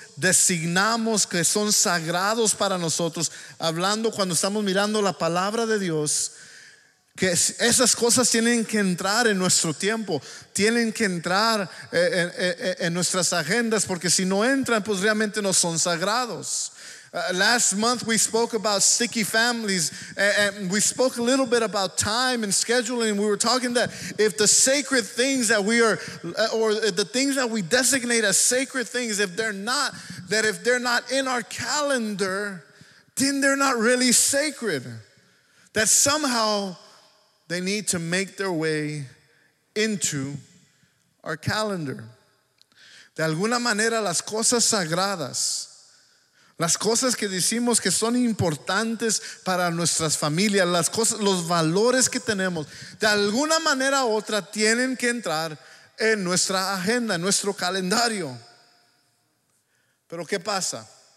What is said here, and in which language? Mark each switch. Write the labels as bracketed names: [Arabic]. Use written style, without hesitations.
[Spanish] designamos que son sagrados para nosotros, hablando cuando estamos mirando la palabra de Dios, que esas cosas tienen que entrar en nuestro tiempo, tienen que entrar en nuestras agendas, porque si no entran, pues realmente no son sagrados. [English] Last month we spoke about sticky families, and we spoke a little bit about time and scheduling. We were talking that if the sacred things that we are, or the things that we designate as sacred things, if they're not, that if they're not in our calendar, then they're not really sacred. That somehow they need to make their way into our calendar. [Spanish] De alguna manera las cosas sagradas, las cosas que decimos que son importantes para nuestras familias, las cosas, los valores que tenemos, de alguna manera u otra tienen que entrar en nuestra agenda, en nuestro calendario. Pero ¿qué pasa?